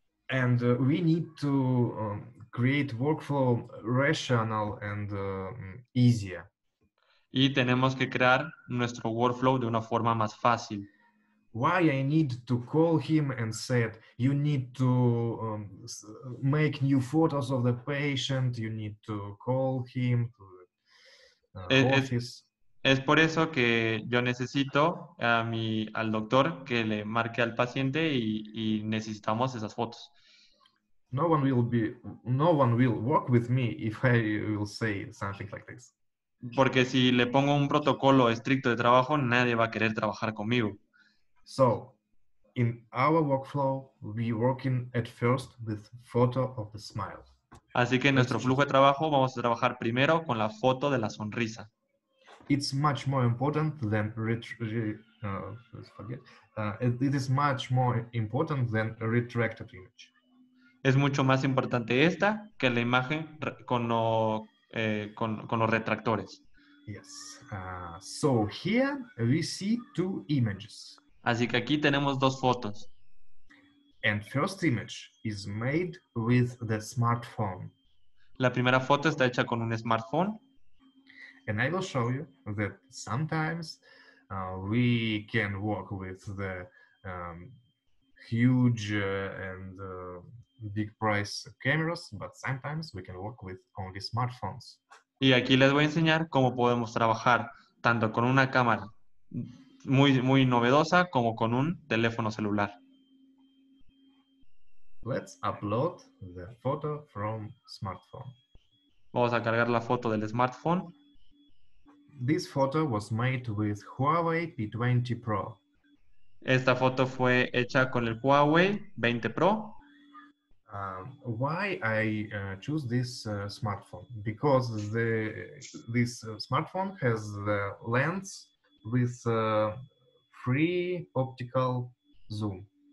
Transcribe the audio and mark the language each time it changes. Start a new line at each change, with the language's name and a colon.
English: And we need to create workflow rational and easier.
Spanish: Y tenemos que crear nuestro workflow de una forma más fácil.
English: Why I need to call him and said you need to make new photos of the patient, you need to call him to office.
Spanish: Es por eso que yo necesito al doctor que le marque al paciente y necesitamos esas fotos.
English: No one will work with me if I will say something like this.
Spanish: Porque si le pongo un protocolo estricto de trabajo, nadie va a querer trabajar conmigo.
English: So, in our workflow, we working at first with photo of the smile.
Spanish: Así que en nuestro flujo de trabajo vamos a trabajar primero con la foto de la sonrisa.
English: It's much more important than retracted image.
Spanish: Es mucho más importante esta que la imagen con los retractores.
English: Yes. So here we see two images.
Spanish: Así que aquí tenemos dos fotos.
English: And first image is made with the smartphone.
Spanish: La primera foto está hecha con un smartphone.
English: And I will show you that sometimes we can work with the huge and big price cameras, but sometimes we can work with only smartphones.
Spanish: Y aquí les voy a enseñar cómo podemos trabajar tanto con una cámara muy, muy novedosa como con un teléfono celular.
English: Let's upload the photo from smartphone.
Spanish: Vamos a cargar la foto del smartphone.
English: This photo was made with Huawei P20 Pro.
Spanish: Esta foto fue hecha con el Huawei 20 Pro.
English: Why I choose this smartphone? Because this smartphone has the lens with free optical zoom.